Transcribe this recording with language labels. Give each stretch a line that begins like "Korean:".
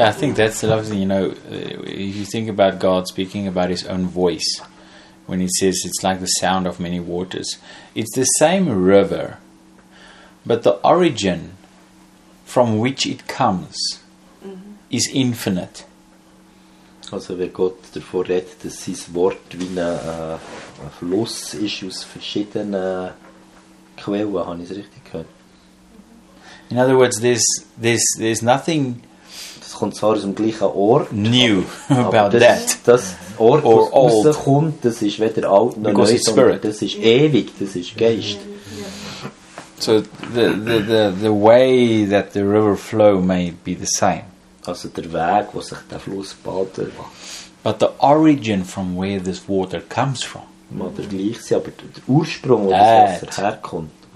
English: Yeah, I think that's the lovely thing, you know, if you think about God speaking about his own voice, when he says it's like the sound of many waters, it's the same river, but the origin from which it comes is infinite.
German: Also, wenn Gott davon redet, dass sein Wort wie ein Fluss ist aus verschiedenen Quellen, habe ich es richtig gehört?
English: In other words, there's nothing.
German: Das kommt zwar aus dem gleichen Ort.
English: New about
German: das,
English: that.
German: Das Ort, wo es rauskommt, das ist weder alt noch neu, sondern das ist ewig, das ist Geist.
English: So the way that the river flow may be the same.
German: Also der Weg, wo sich der Fluss baut.
English: But the origin from where this water comes from.
German: Mal der gleiche sein, aber der Ursprung, wo das Wasser herkommt.